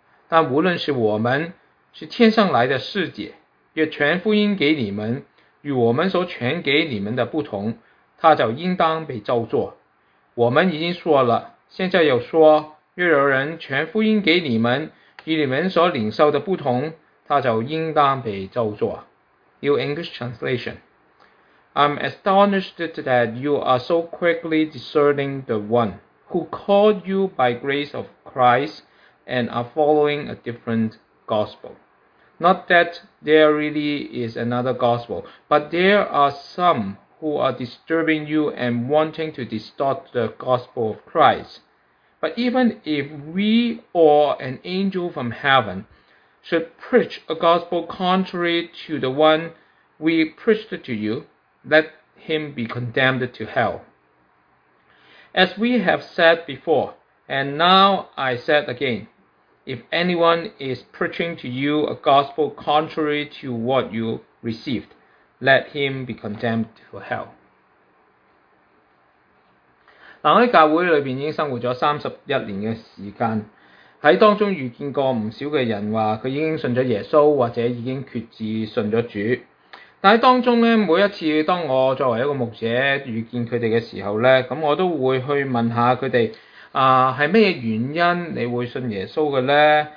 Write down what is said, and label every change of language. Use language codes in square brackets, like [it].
[zh] 但无论是我们是天上来的使者，若传福音给你们，与我们所传给你们的不同，他就应当被咒诅。我们已经说了，现在又说，若有人传福音给你们，与你们所领受的不同，他就应当被咒诅。 [en] New English Translation. I'm astonished that you are so quickly discerning the one who called you by grace of Christ and are following a different gospel. Not that there really is another gospel, but there are some who are disturbing you and wanting to distort the gospel of Christ. But even if we or an angel from heaven should preach a gospel contrary to the one we preached to you, let him be condemned to hell. As we have said before, and now I said again, if anyone is preaching to you a gospel contrary to what you received, let him be condemned to hell. [zh] 但我在教会里面已经生活了31年的时间，在当中遇见过不少的人说他已经信了耶稣，或者已经决志信了主。但在当中呢，每一次当我作为一个牧者遇见他们的时候呢，那我都会去问下他们，是什么原因你会信耶稣的呢？